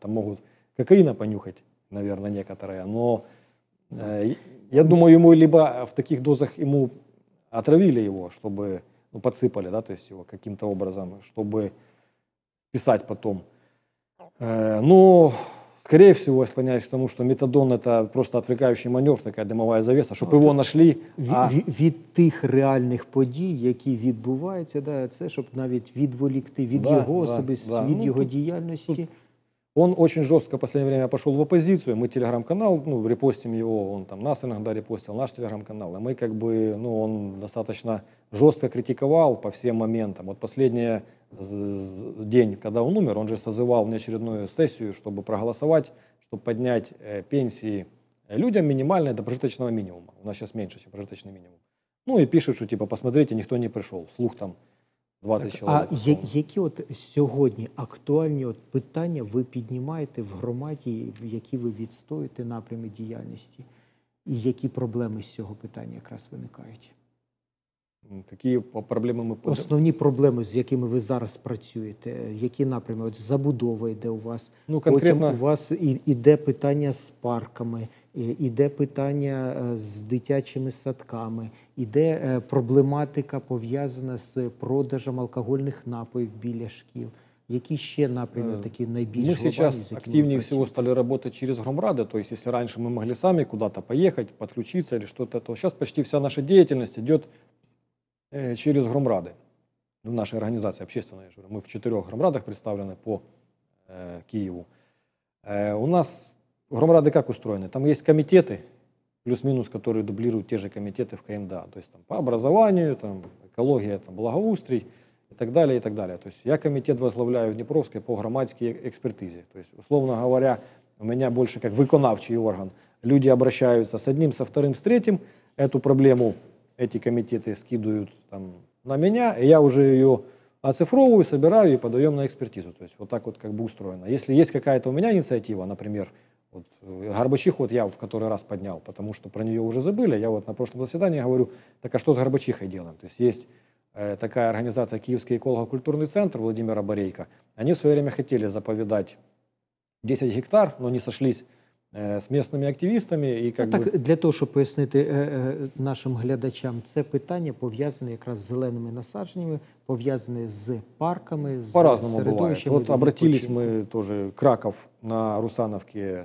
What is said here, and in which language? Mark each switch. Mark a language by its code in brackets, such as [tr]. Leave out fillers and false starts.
[ru] Там могут кокаина понюхать, наверное, некоторые, но я думаю, ему либо в таких дозах ему отравили его, чтобы, ну, подсыпали, да, то есть его каким-то образом, чтобы писать потом. Но, скорее всего, я склоняюсь к тому, что метадон — это просто отвлекающий маневр, такая дымовая завеса, чтобы [uk] його [ru] нашли. [uk] Від тих реальних подій, які відбуваються, да, це щоб навіть відволікти від його особистості, від його діяльності. [ru] Он очень жестко в последнее время пошел в оппозицию. Мы телеграм-канал, ну, репостим его, он там нас иногда репостил, наш телеграм-канал. И мы как бы, ну, он достаточно жестко критиковал по всем моментам. Вот последний день, когда он умер, он же созывал внеочередную сессию, чтобы проголосовать, чтобы поднять пенсии людям минимальные до прожиточного минимума. У нас сейчас меньше, чем прожиточный минимум. Ну, и пишут, что типа, посмотрите, никто не пришел, слух там. [uk] А які от сьогодні актуальні от питання ви піднімаєте в громаді, в які ви відстоюєте напрями діяльності? І які проблеми з цього питання якраз виникають? Які проблеми ми... Основні проблеми, з якими ви зараз працюєте, які напрями? От забудова йде у вас, ну, конкретно... потім у вас іде питання з парками, іде питання з дитячими садками, іде проблематика, пов'язана з продажем алкогольних напоїв біля шкіл. Які ще, наприклад, такі найбільш глобальні? Ми зараз активні всього стали роботи через громради, тобто, якщо раніше ми могли самі куди-то поїхати, підключитися, або щось, то зараз майже вся наша діяльність йде через громради. В нашій організації, общественної, ми в 4 громрадах представлені по Києву. [ru] У нас... Громради как устроены? Там есть комитеты, плюс-минус, которые дублируют те же комитеты в КМДА. То есть там по образованию, там, экология, там, благоустрой и так далее, и так далее. То есть я комитет возглавляю в Днепровской по громадской экспертизе. То есть, условно говоря, у меня больше как выконавчий орган. Люди обращаются с одним, со вторым, с третьим. Эту проблему эти комитеты скидывают там, на меня, и я уже ее оцифровываю, собираю и подаем на экспертизу. То есть вот так вот как бы устроено. Если есть какая-то у меня инициатива, например, вот Горбачиху вот я в который раз поднял, потому что про нее уже забыли. Я вот на прошлом заседании говорю, так а что с Горбачихой делаем? То есть есть такая организация «Киевский эколого-культурный центр» Владимира Борейко. Они в свое время хотели заповедать 10 гектар, но не сошлись с местными активистами. И как так, бы... для того, чтобы пояснить нашим [uk] глядачам, це питання пов'язане [ru] как раз с зелеными насаженнями, [uk] пов'язане з парками, з [ru] по-разному бывает. Вот обратились мы тоже к Раков на Русановке.